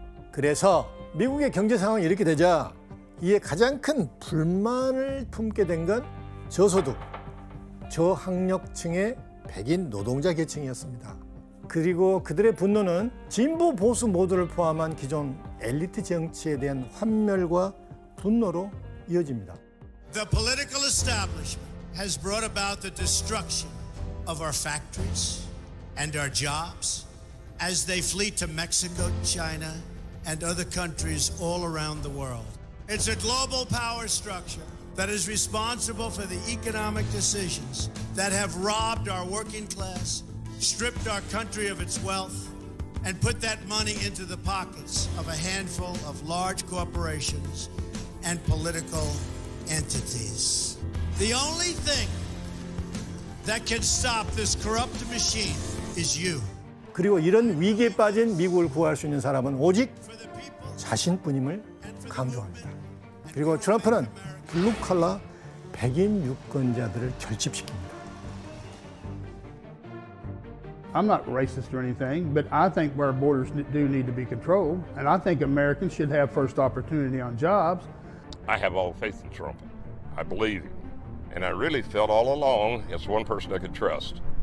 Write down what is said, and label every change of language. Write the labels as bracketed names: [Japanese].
[Korean] 그래서 미국의 경제 상황이 이렇게 되자 이에 가장 큰 불만을 품게 된 건 저소득, 저학력층의 백인 노동자 계층이었습니다. 그리고 그들의 분노는 진보 보수 모두를 포함한 기존 엘리트 정치에 대한 환멸과 분노로 이어집니다. [English] The political establishment has brought about the destruction of our factories and our jobs as they flee to Mexico, China and other countries all around the world. It's a global power structure that is responsible for the economic decisions that have robbed our working class, stripped our country of its wealth, and put that money into the pockets of a handful of large corporations and political entities. The only thing that can stop this corrupt machine is you. [Korean] 그리고 이런 위기에 빠진 미국을 구할 수 있는 사람은 오직 자신뿐임을 강조합니다. 그리고 트럼프는 블루칼라 백인 유권자들을 결집시킵니다. [English] I'm not racist or anything, but I think our borders do need to be controlled, and I think Americans should have first opportunity on jobs. I have all faith in Trump. I believe him. And I really felt all along it's one person I could trust.